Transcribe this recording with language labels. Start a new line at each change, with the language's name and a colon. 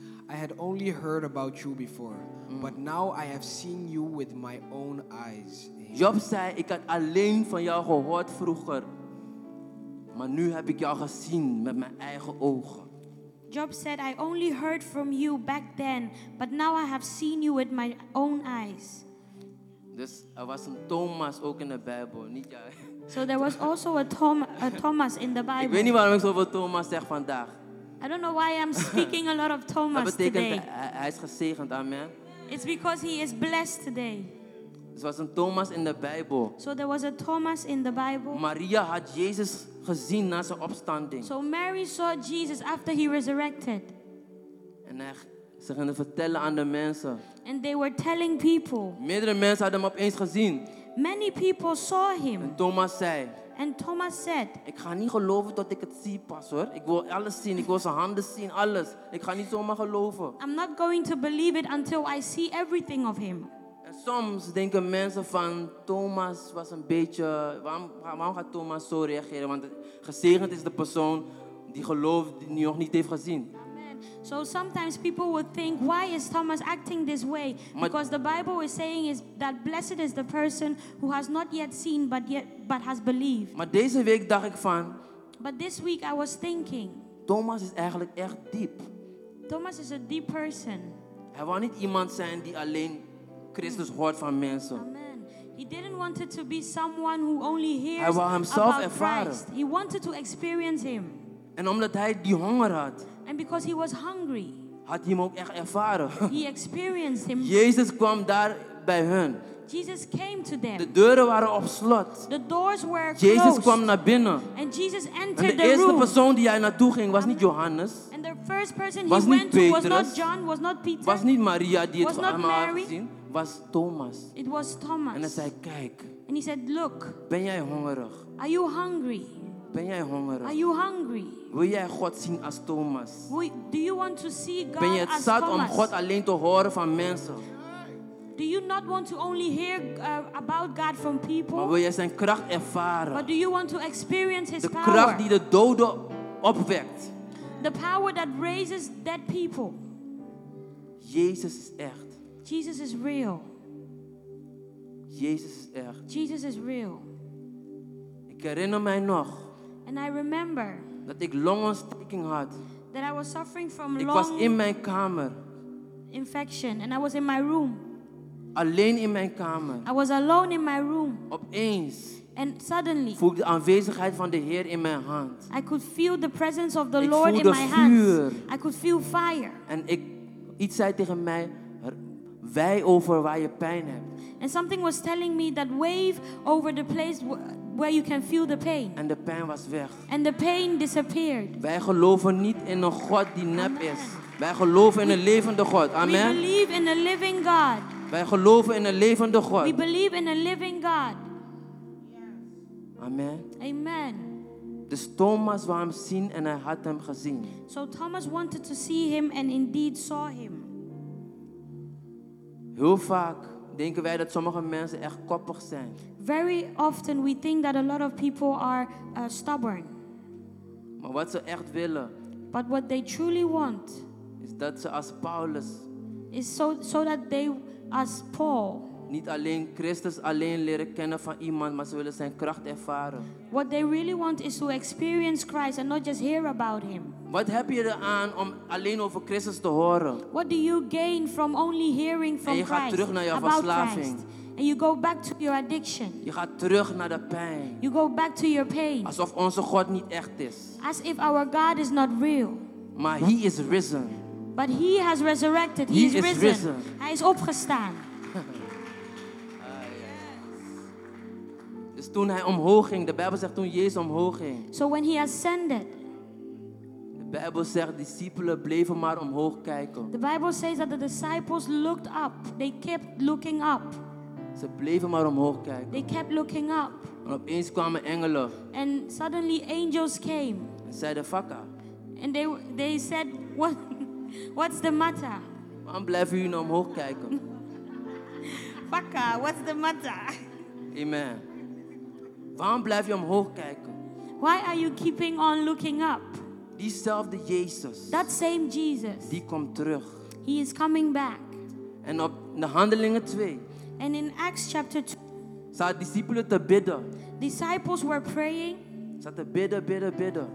English: I had only heard about you before, but now I have seen you with my own eyes. Amen.
Dutch: Job zei, ik had alleen van jou gehoord vroeger, maar nu heb ik jou gezien met mijn eigen ogen.
English: Job said, I only heard from you back then, but now I have seen you with my own eyes.
Dutch: Dus er was een Thomas ook in de Bijbel, niet jij.
English: So there was also a Thomas in the Bible.
Dutch: Ik weet niet waarom ik zoveel Thomas zeg vandaag.
English: I don't know why I'm speaking a lot of Thomas today.
Dutch: Dat betekent
English: today.
Dutch: Hij is gezegend, amen.
English: It's because he is blessed today.
Dutch: Er was een Thomas in de Bijbel.
English: So there was a Thomas in the Bible.
Dutch: Maria had Jezus gezien na zijn opstanding.
English: So Mary saw Jesus after he resurrected.
Dutch: En ze gingen vertellen aan de mensen.
English: And they were telling people.
Dutch: Meerdere mensen hadden hem opeens gezien.
English: Many people saw him.
Dutch: En Thomas zei.
English: And Thomas said.
Dutch: Ik ga niet geloven tot ik het zie, pastor. Ik wil alles zien. Ik wil zijn handen zien. Alles. Ik ga niet zomaar geloven.
English: I'm not going to believe it until I see everything of him.
Dutch: En soms denken mensen van Thomas was een beetje. Waarom gaat Thomas zo reageren? Want gezegend is de persoon die geloof die nog niet heeft gezien.
English: So sometimes people would think, why is Thomas acting this way? Because the Bible is saying is that blessed is the person who has not yet seen but has believed.
Dutch: Maar deze week dacht ik van,
English: but this week I was thinking,
Dutch: Thomas is eigenlijk echt diep.
English: Thomas is a deep person.
Dutch: Hij wou niet iemand zijn die alleen Christus hoort van mensen. Amen.
English: He didn't want it to be someone who only hears about himself about Christ. He wanted to experience him.
Dutch: En omdat hij die honger had,
English: and because he was hungry,
Dutch: had hij hem ook echt ervaren.
English: He experienced him.
Dutch: Jezus kwam daar bij hun.
English: Jesus came to them.
Dutch: De deuren waren op slot.
English: The doors were closed.
Dutch: Jezus kwam naar binnen.
English: And Jesus entered
Dutch: en de eerste
English: the room.
Dutch: Persoon die hij naartoe ging was niet Johannes.
English: And the first person was he went
Dutch: Petrus,
English: to was not John, was not Peter.
Dutch: Was niet Maria die het allemaal had gezien. Was Thomas.
English: It was Thomas.
Dutch: En hij zei, kijk.
English: And he said, look.
Dutch: Ben jij hongerig?
English: Are you hungry?
Dutch: Ben jij hongerig?
English: Are you hungry?
Dutch: Wil jij God zien als Thomas?
English: Do you want to see God?
Dutch: Ben je het zat om God alleen te horen van mensen?
English: Do you not want to only hear about God from people?
Dutch: Maar wil jij zijn kracht ervaren?
English: But do you want to experience his
Dutch: de
English: power?
Dutch: De kracht die de doden opwekt.
English: The power that raises dead people.
Dutch: Jezus is echt.
English: Jesus is real.
Dutch: Jezus is echt.
English: Jesus is real.
Dutch: Ik herinner mij nog.
English: And I remember
Dutch: dat ik longontsteking had.
English: That I was suffering from
Dutch: ik
English: long
Dutch: was in mijn kamer.
English: Infection and I was in my room.
Dutch: Alleen in mijn kamer.
English: I was alone in my room.
Dutch: Opeens.
English: And suddenly.
Dutch: Voelde de aanwezigheid van de Heer in mijn hand.
English: I could feel the presence of the Lord in my hands.
Dutch: Ik voelde vuur.
English: I could feel fire.
Dutch: En iets zei tegen mij, wij over waar je pijn hebt.
English: And something was telling me that wave over the place where you can feel the pain.
Dutch: En de pijn was weg.
English: And the pain disappeared.
Dutch: Wij geloven niet in een God die nep is. Wij geloven in een levende God. Amen.
English: We believe in a living God.
Dutch: Wij geloven in een levende God.
English: We believe in a living God. Amen. Amen.
Dutch: Dus Thomas wou hem zien en hij had hem gezien.
English: So Thomas wanted to see him and indeed saw him.
Dutch: Heel vaak denken wij dat sommige mensen echt koppig zijn.
English: Very often we think that a lot of people are stubborn.
Dutch: Maar wat ze echt willen.
English: But what they truly want.
Dutch: Is dat ze als Paulus.
English: Is so that they as Paul.
Dutch: Niet alleen Christus alleen leren kennen van iemand, maar ze willen zijn kracht ervaren.
English: What they really want is to experience Christ and not just hear about him.
Dutch: Wat heb je eraan om alleen over Christus te horen?
English: What do you gain from only hearing from Christ?
Dutch: En je gaat terug naar je verslaving.
English: Christ. And you go back to your addiction.
Dutch: Je gaat terug naar de pijn.
English: You go back to your pain.
Dutch: Alsof onze God niet echt is.
English: As if our God is not real. Maar he is risen. But he has resurrected. He is risen. Risen.
Dutch: Hij is opgestaan. Dus toen hij omhoog ging, de Bijbel zegt toen Jezus omhoog ging.
English: So when he ascended.
Dutch: De Bijbel zegt discipelen bleven maar omhoog kijken.
English: The Bible says that the disciples looked up. They kept looking up.
Dutch: Ze bleven maar omhoog kijken.
English: They kept looking up.
Dutch: En opeens kwamen engelen.
English: And suddenly angels came.
Dutch: En zeiden vaka.
English: And they said what's the matter?
Dutch: Waarom blijven jullie omhoog kijken?
English: Vaka, what's the matter? Amen.
Dutch: Waarom blijf je omhoog kijken?
English: Why are you keeping on looking up?
Dutch: Diezelfde Jezus.
English: That same Jesus.
Dutch: Die komt terug.
English: He is coming back.
Dutch: En op de Handelingen 2.
English: And in Acts chapter 2.
Dutch: Zaten discipelen te bidden.
English: Disciples were praying.
Dutch: Zaten bidden.